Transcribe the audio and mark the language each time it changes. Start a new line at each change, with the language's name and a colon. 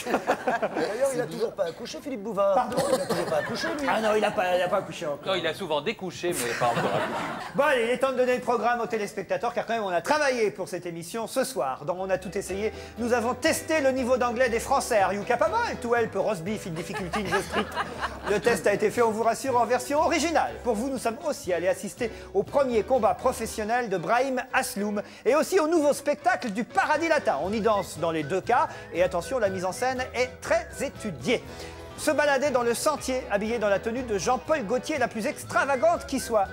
French: D'ailleurs, il n'a toujours pas accouché, Philippe Bouvard. Pardon, il n'a toujours pas accouché, lui. Ah non, il n'a pas accouché encore. Non, il a souvent découché, mais pas encore accouché. Bon, allez, il est temps de donner le programme aux téléspectateurs, car quand même, on a travaillé pour cette émission ce soir. Donc, on a tout essayé. Nous avons testé le niveau d'anglais des Français.
English: Are you capable? Too help, roast beef, in difficulty, in the street.
French: Le test a été fait, on vous rassure, en version originale. Pour vous, nous sommes aussi allés assister au premier combat professionnel de Brahim Asloum et aussi au nouveau spectacle du Paradis Latin. On y danse dans les deux cas et attention, la mise en scène est très étudiée. Se balader dans le sentier habillé dans la tenue de Jean-Paul Gaultier, la plus extravagante qui soit.